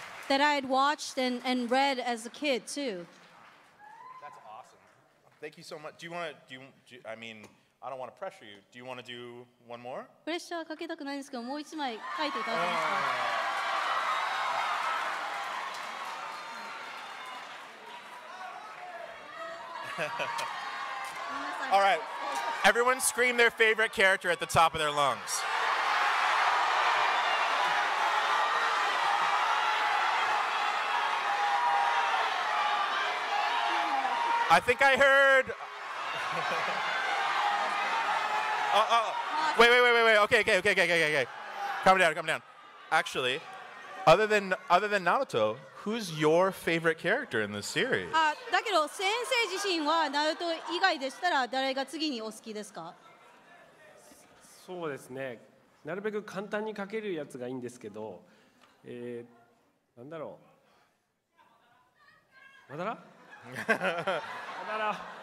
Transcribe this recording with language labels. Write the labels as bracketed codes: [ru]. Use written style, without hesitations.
[en] That I had watched and read as a kid, too. That's awesome. Thank you so much. Do you want to, I mean, I don't want to pressure you. Do you want to do one more? [ja] プレッシャーかけたくないんですけど、もう一枚書いていただけますか? [en] All right. Everyone scream their favorite character at the top of their lungs. I think I heard... Wait. Okay. Calm down. Actually, other than Naruto, who's your favorite character in this series? [ja] だけど先生自身はナルト以外でしたら誰が次にお好きですか？そうですね。なるべく簡単に描けるやつがいいんですけど、なんだろう。マダラ？マダラ。